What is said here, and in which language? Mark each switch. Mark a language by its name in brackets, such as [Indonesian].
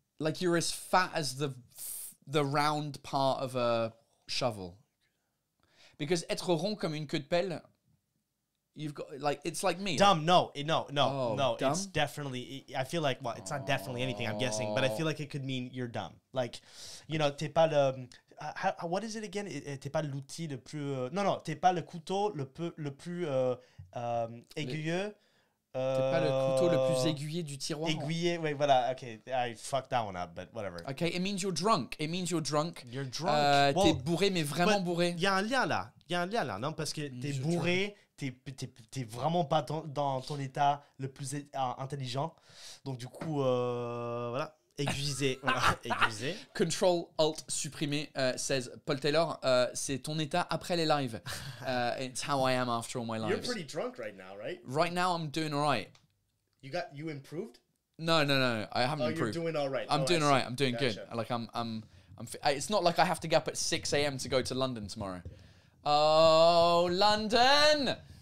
[English] Like you're as fat as the round part of a shovel. Because [French] être rond comme une queue de pelle, [English] You've got, like, it's like me. Dumb, no, no, no, no. Dumb? It's definitely, I feel like, well, it's not definitely anything, I'm guessing, but I feel like it could mean you're dumb. Like, you know, [French] t'es pas le, [English] how, what is it again? [French] T'es pas l'outil le plus, [English] no, no, [French] t'es pas le couteau le plus aiguilleux. T'es pas le couteau le plus aiguillé du tiroir. [English] Aiguillé, wait, voilà, okay, I fucked that one up, but whatever. Okay, it means you're drunk, it means you're drunk. You're drunk. [French] Well, t'es bourré, mais vraiment bourré. Il y a un lien là, il y a un lien là, non, parce que t'es you're bourré, t'es vraiment pas dans ton état le plus intelligent. Donc du coup, voilà, aiguisé, voilà, aiguisé. [English] Control, Alt, [French] supprimé, says Paul Taylor, c'est ton état après les lives. [English] It's how I am after all my lives. You're pretty drunk right now, right? Right now, I'm doing all right. You improved? No, I haven't improved. You're doing all right. I'm doing all right, I'm doing good. Like, it's not like I have to get up at 6 a.m. to go to London tomorrow. Oh, London!